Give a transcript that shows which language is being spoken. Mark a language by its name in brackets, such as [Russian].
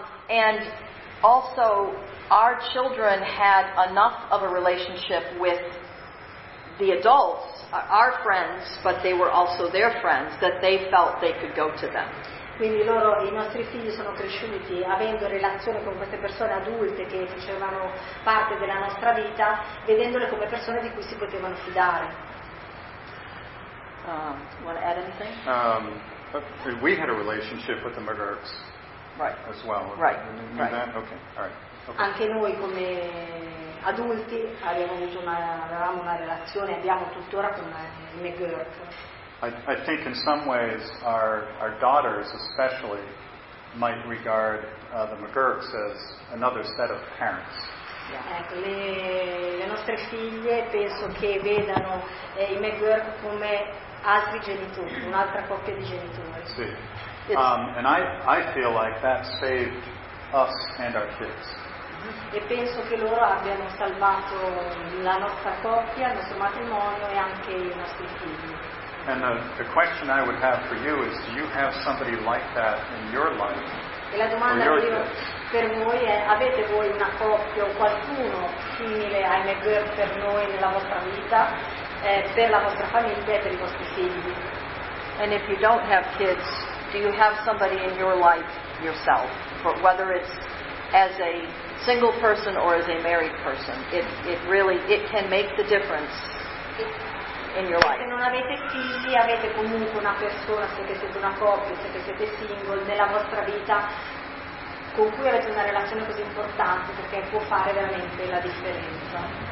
[English] And also our children had enough of a relationship with the adults, our friends, but they were also their friends, that they felt they could go to them. [Italian] Quindi loro, i nostri figli sono cresciuti avendo relazione con queste persone adulte che facevano parte della nostra vita, vedendole come persone di cui si potevano fidare. [English] Want to add anything? We had a relationship with the McGurks, right? As well. Right. Right. That? Okay. All right. Okay. [Italian] Anche noi come adulti avevamo una relazione, abbiamo tuttora con i McGurk. [English] I think in some ways our daughters especially might regard the McGurks as another set of parents. Yeah. [Italian] Ecco, le nostre figlie penso che vedano i McGurk come altri genitori, un'altra coppia di genitori. Sì. [English] And I feel like that saved us and our kids. [Italian] E penso che loro abbiano salvato la nostra coppia, il nostro matrimonio e anche i nostri figli. [English] And the question I would have for you is, do you have somebody like that in your life? [Italian] E la domanda che io per voi è, avete voi una coppia o qualcuno simile a McGuire per noi nella vostra vita, per la vostra famiglia e per i vostri figli? [English] And if you don't have kids, do you have somebody in your life yourself? But whether it's as a single person or as a married person, it really can make the difference in your life. [Italian] Se non avete figli, avete comunque una persona, se che siete una coppia, se che siete single, nella vostra vita con cui avete una relazione così importante, perché può fare veramente la differenza.